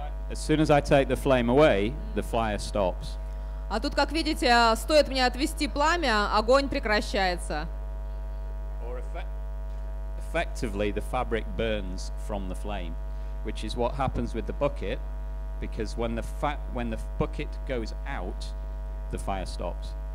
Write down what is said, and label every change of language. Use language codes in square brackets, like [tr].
[en] As soon as I take the flame away, the fire stops. [ru] А тут, как видите, стоит мне отвести пламя, огонь прекращается. [en] Effectively, the fabric burns from the flame, which is what happens with the bucket, because when the bucket goes out, the fire stops.